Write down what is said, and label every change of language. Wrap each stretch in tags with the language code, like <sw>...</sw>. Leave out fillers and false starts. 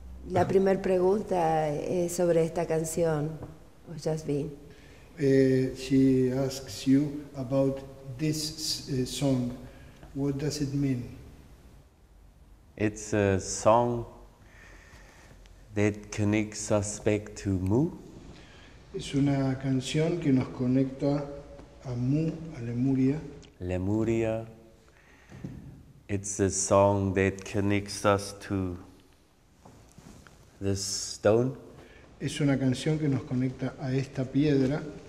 <es>La primera pregunta es sobre esta canción, Jasmine.</es> <en>She asks you about this song. What does it mean? It's a song that connects us back to Mu.</en> <es>Es una canción que nos conecta a Mu, a Lemuria. Lemuria.</es> <en>It's a song that connects us to this stone.</en> <es>Es una canción que nos conecta a esta piedra.</es>